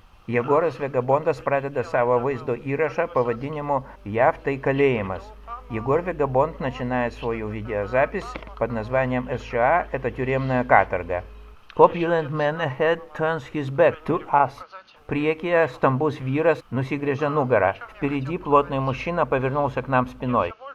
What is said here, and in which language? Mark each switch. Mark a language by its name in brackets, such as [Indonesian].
[Lithuanian] Егорас Вегабондас pradeda savo vaizdo įrašą pavadinimu «Jav tai kalėjimas». [Russian] Егор Вегабонд начинает свою видеозапись под названием «США – это тюремная каторга». [English] Opulent man ahead turns his back to us. [Lithuanian] Priekyje stambus vyras nusigrėžė nugarą. [Russian] Впереди плотный мужчина повернулся к нам спиной.